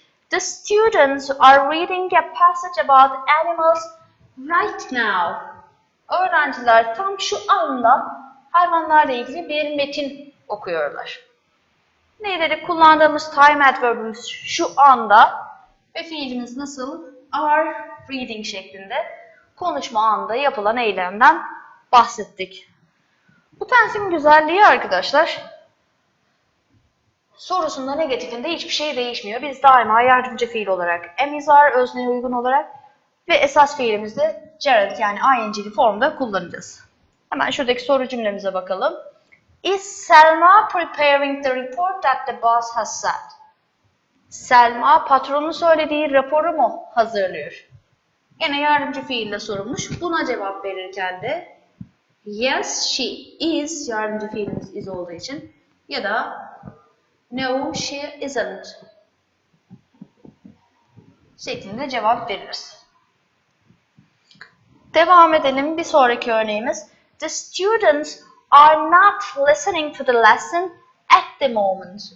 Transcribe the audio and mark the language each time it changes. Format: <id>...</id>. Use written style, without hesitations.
<en>The students are reading a passage about animals right now.</en> <tr>Öğrenciler tam şu anda hayvanlarla ilgili bir metin okuyorlar. Ne dedi? Kullandığımız time adverbimiz şu anda ve fiilimiz nasıl? Are reading şeklinde konuşma anda yapılan eylemden bahsettik. Bu tensin güzelliği arkadaşlar, sorusunda negatifinde hiçbir şey değişmiyor. Biz daima yardımcı fiil olarak am is are özneye uygun olarak ve esas fiilimizde gerund yani ing'li formda kullanacağız. Hemen şuradaki soru cümlemize bakalım.</tr> <en>Is Selma preparing the report that the boss has sent?</en> <tr>Selma patronun söylediği raporu mu hazırlıyor? Yine yardımcı fiille sorulmuş. Buna cevap verirken de</tr> <en>yes she is</en> <tr>yardımcı fiilimiz is olduğu için ya da</tr> <en>no she isn't</en> <tr>şeklinde cevap veririz. Devam edelim bir sonraki örneğimiz.</tr> <en>The students are not listening to the lesson at the moment.</en>